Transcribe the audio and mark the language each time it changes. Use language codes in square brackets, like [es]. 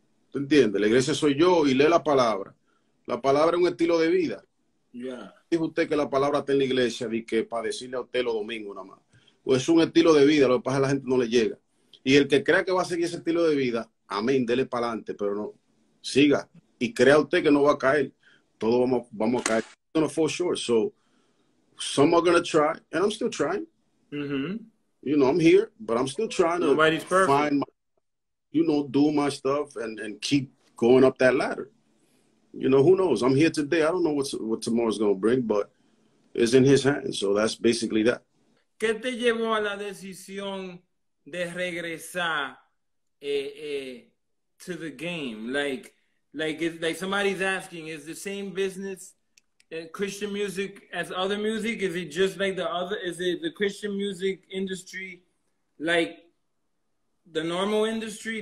[es] ¿Tú entiendes? La iglesia soy yo y lee la palabra. La palabra es un estilo de vida. [en] Yeah. [es] Dijo usted que la palabra está en la iglesia y que para decirle a usted los domingos nada más. Pues es un estilo de vida, lo que pasa es que la gente no le llega. Y el que crea que va a seguir ese estilo de vida, amén, dele para adelante, pero no, siga. Y crea usted que no va a caer. Todos vamos a caer. [en] No, for sure. So, some are going to try, and I'm still trying. Mm-hmm. You know, I'm here, but I'm still trying Nobody's to perfect. Find my, you know, do my stuff and keep going up that ladder. You know, who knows? I'm here today. I don't know what tomorrow's going to bring, but it's in his hands. So that's basically that. [es] ¿Qué te llevó a la decisión de regresar [en] to the game? Like somebody's asking, is the same business Christian music as other music? Is it just like the other? Is it the Christian music industry like the normal industry?